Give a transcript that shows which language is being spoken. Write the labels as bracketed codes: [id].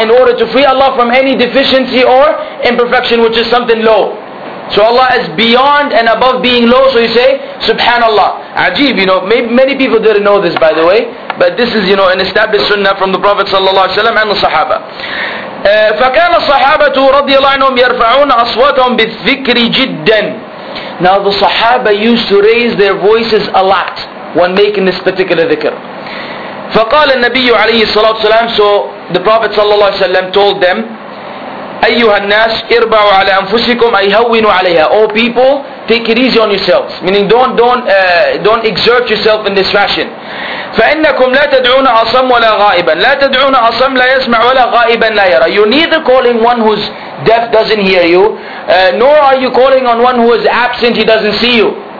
[en] In order to free Allah from any deficiency or imperfection, which is something low. So Allah is beyond and above being low. So you say, Subhanallah. Ajib, you know, many people didn't know this, by the way. But this is, you know, an established sunnah from the Prophet صلى الله عليه وسلم and the Sahaba. [ar] فكان الصحابة رضي الله عنهم يرفعون أصواتهم بالذكر جدا. [en] Now the Sahaba used to raise their voices a lot when making this particular dhikr. [ar] فَقَالَ النَّبِيُّ عَلَيْهِ الصَّلَاةُ وَسَلَامُ. [en] So the Prophet [ar] صلى الله عليه وسلم [en] told them, [ar] أَيُّهَا النَّاسِ إِرْبَعُوا عَلَى أَنفُسِكُمْ أَيْهَوِّنُوا عَلَيْهَا. [en] Oh people, take it easy on yourselves. Meaning don't exert yourself in this fashion. [ar] فَإِنَّكُمْ لَا تَدْعُونَ أَصَمْ وَلَا غَائِبًا. لَا تَدْعُونَ أَصَمْ لَا يَسْمَعْ وَلَا غَائِبًا لَا يَرَى. [en] You're neither calling one who's deaf doesn't hear you, nor are you calling on one who is absent, he doesn't see you.